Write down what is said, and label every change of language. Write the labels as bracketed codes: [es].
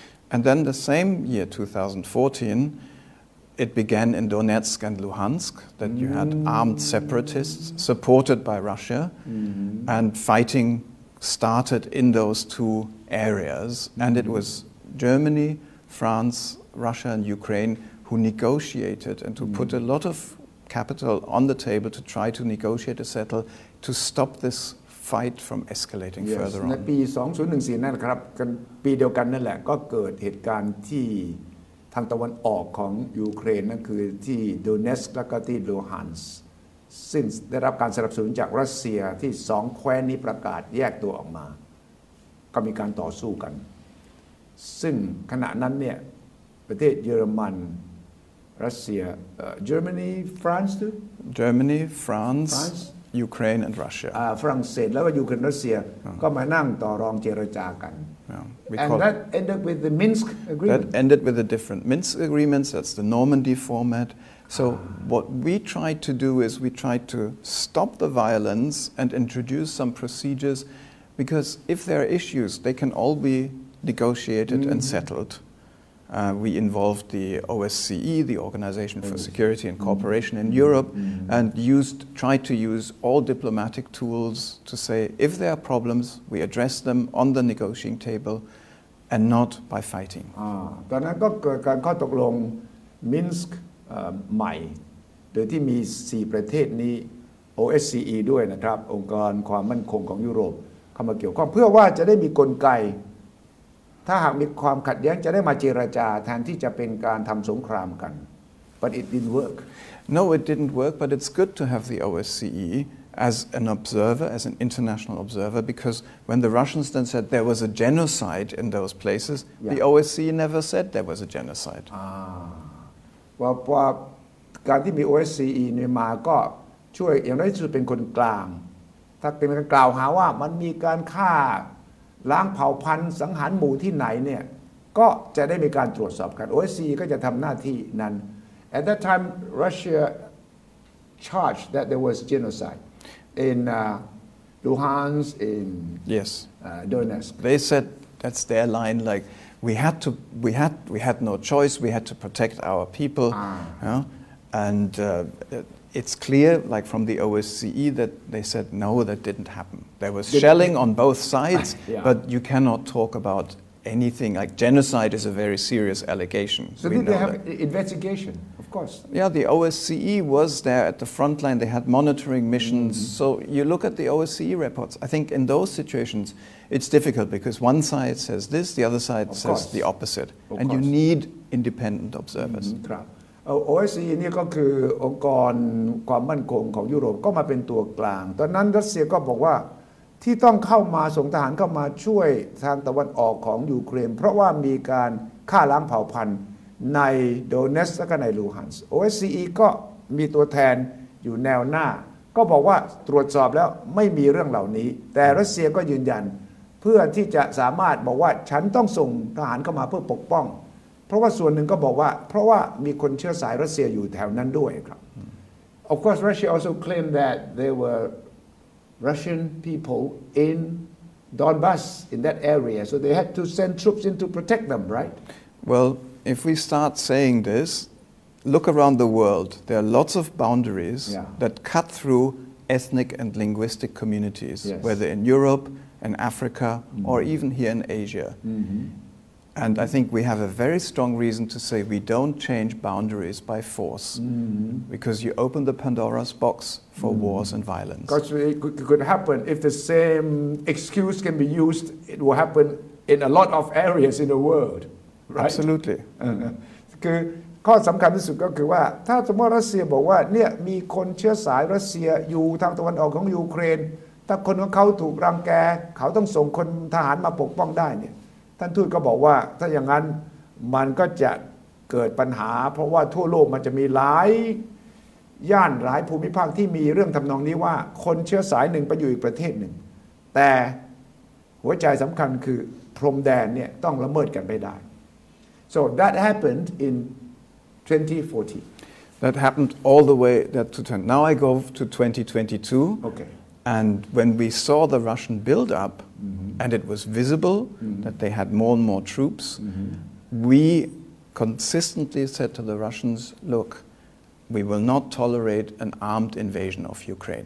[en] and then the same year 2014 it began in Donetsk and Luhansk that you had armed separatists supported by Russia and fighting started in those two areas and it wasGermany, France, Russia, and Ukraine who negotiated and who put a lot of capital on the table to try to negotiate a settle to stop this fight from escalating yes. further on. Yes, [th] ในปี2014นั่นครับปีเดียวกันนั่นแหละก็เกิดเหตุการณ์ที่ทางตะวันออกของยูเครนนั่นคือที่ดูเนสก์และก็ที่ลูฮันส์ซึ่งได้รับการสนับสนุนจากรัสเซียที่สองแคว้นนี้ประกาศแยกตัวออกมาก็มีการต่อสู้กันซึ่งขณะนั้นเนี่ยประเทศเยอรมันรัสเซีย [en] Germany France too Germany France, France Ukraine and Russia [th] ฝรั่งเศสแล้วก็ยูเครนรัสเซียก็มานั่งต่อรองเจรจากัน [en] And that ended with the Minsk agreement That ended with the different Minsk agreements that's the Normandy format so what we tried to do is we tried to stop the violence and introduce some procedures because if there are issues they can all beNegotiated and settled. We involved the OSCE, the Organization for Security and Cooperation in Europe, and tried to use all diplomatic tools to say if there are problems, we address them on the negotiating table, and not by fighting. [th] ตอนนั้นก็เกิดการข้อตกลง Minsk ใหม่โดยที่มี4ประเทศนี้ OSCE ด้วยนะครับองค์การความมั่นคงของยุโรปเข้ามาเกี่ยวข้องเพื่อว่าจะได้มีกลไกถ้าหากมีความขัดแย้งจะได้มาเจรจาแทนที่จะเป็นการทำสงครามกัน [en] but it didn't work no it didn't work but it's good to have the OSCE as an observer as an international observer because when the Russians then said there was a genocide in those places yeah. the OSCE never said there was a genocide [th] ว่าการที่มี OSCE นี่มาก็ช่วยอย่างน้อยที่สุดเป็นคนกลางถ้าเป็นการกล่าวหาว่ามันมีการฆ่าล้างเผ่าพันธุ์สังหารหมู่ที่ไหนเนี่ยก็จะได้มีการตรวจสอบกัน OSCE ก็จะทำหน้าที่นั้น [en] At that time Russia charged that there was genocide in Luhansk in yes Donetsk they said that's their line like we had no choice we had to protect our people and it's clear like from the OSCE that they said no that didn't happen there was shelling on both sides yeah. but you cannot talk about anything like genocide is a very serious allegation so did they have investigation of course. Yeah, the OSCE was there at the front line. They had monitoring missions. Mm-hmm. So you look at the OSCE reports. I think in those situations, it's difficult because one side says this, the other side says the opposite. And you need independent observers. [th] OSCE นี่ก็คือองค์กรความมั่นคงของยุโรปก็มาเป็นตัวกลางตอนนั้นรัสเซียก็บอกว่าที่ต้องเข้ามาส่งทหารเข้ามาช่วยทางตะวันออกของยูเครนเพราะว่ามีการฆ่าล้างเผ่าพันธุ์ ในโดเนสและก็ในลูฮันส์ OSCE ก็มีตัวแทนอยู่แนวหน้าก็บอกว่าตรวจสอบแล้วไม่มีเรื่องเหล่านี้แต่รัสเซียก็ยืนยันเพื่อที่จะสามารถบอกว่าฉันต้องส่งทหารเข้ามาเพื่อปกป้องเพราะว่าส่วนหนึ่งก็บอกว่าเพราะว่ามีคนเชื้อสายรัสเซียอยู่แถวนั้นด้วยครับ [en] Of course Russia also claimed that there were Russian people in Donbas in that area so they had to send troops in to protect them right Well if we start saying this look around the world there are lots of boundaries yeah. that cut through ethnic and linguistic communities yes. whether in Europe and Africa mm-hmm. or even here in Asia mm-hmm. And I think we have a very strong reason to say we don't change boundaries by force, mm-hmm. because you open the Pandora's box for mm-hmm. wars and violence. Because it could happen if the same excuse can be used, it will happen in a lot of areas in the world, right? Absolutely. [th] คือข้อสำคัญที่สุดก็คือว่าถ้าสมมติรัสเซียบอกว่าเนี่ยมีคนเชื้อสายรัสเซียอยู่ทางตะวันออกของยูเครนถ้าคนของเขาถูกรังแกเขาต้องส่งคนทหารมาปกป้องได้เนี่ยท่านทูตก็บอกว่าถ้าอย่างนั้นมันก็จะเกิดปัญหาเพราะว่าทั่วโลกมันจะมีหลาย ย่านหลายภูมิภาคที่มีเรื่องทำนองนี้ว่าคนเชื้อสายหนึ่งไปอยู่อีกประเทศหนึ่งแต่หัวใจสำคัญคือพรมแดนเนี่ยต้องละเมิดกันไม่ได้ [en] So that happened in 2014 That happened all the way that to turn Now I go to 2022 Okay And when we saw the Russian build upMm-hmm. and it was visible mm-hmm. that they had more and more troops, mm-hmm. we consistently said to the Russians, look, we will not tolerate an armed invasion of Ukraine.